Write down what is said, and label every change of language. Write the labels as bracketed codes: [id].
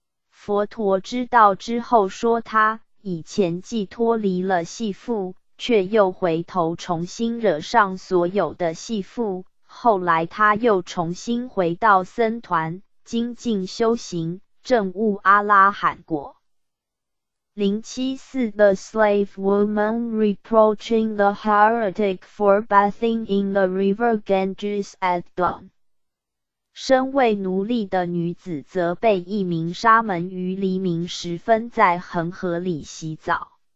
[zh] 佛陀知道之后说，他以前既脱离了系缚，却又回头重新惹上所有的系缚，后来他又重新回到僧团精进修行，证悟阿拉罕果。 074 [en] The slave woman reproaching the heretic for bathing in the river Ganges at dawn. [zh] 身为奴隶的女子则被一名沙门于黎明时分在恒河里洗澡。